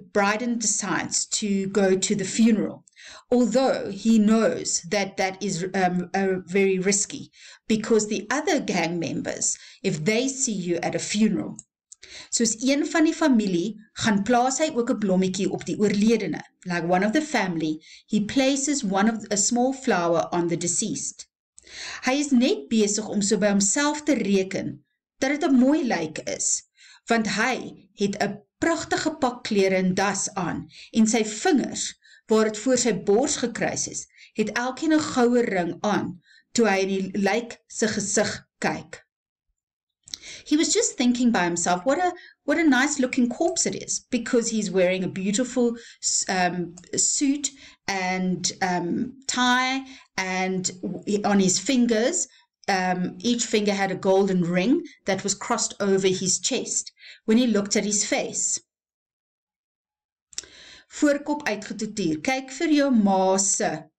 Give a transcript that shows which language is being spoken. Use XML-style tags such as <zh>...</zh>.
<en>Bryden decides to go to the funeral, although he knows that that is very risky, because the other gang members, if they see you at a funeral,</en> <af>soos een van die familie, gaan plaas hy ook 'n blommetjie op die oorledene.</af> <en>Like one of the family, he places one of a small flower on the deceased.</en> <af>Hy is net besig om so by homself te reken dat het 'n mooi lyk is, want hy het 'n pragtige pak klere en das aan, en sy vingers, waar het voor sy bors gekruis is, het elkeen 'n goue ring aan, toe hy in die lyk sy gesig kyk.</af> <en>He was just thinking by himself, what a nice looking corpse it is, because he's wearing a beautiful suit and tie, and on his fingers, each finger had a golden ring that was crossed over his chest when he looked at his face.</en> <af>Voorkop uitgetoeteer, kyk vir jou ma se.</af>